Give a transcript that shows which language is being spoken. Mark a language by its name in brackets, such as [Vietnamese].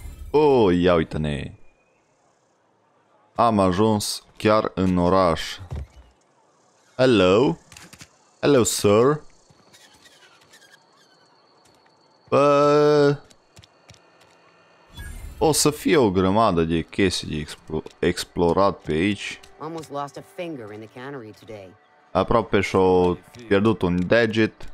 [Romanian] Oh, ia uite-ne. Am ajuns chiar în oraș. [English] Hello. Hello, sir. [Romanian] Bă... O să fie o grămadă de chestii de explorat pe aici. [English] Almost lost a finger in the cannery today. [Romanian] Aproape și-o pierdut un deget.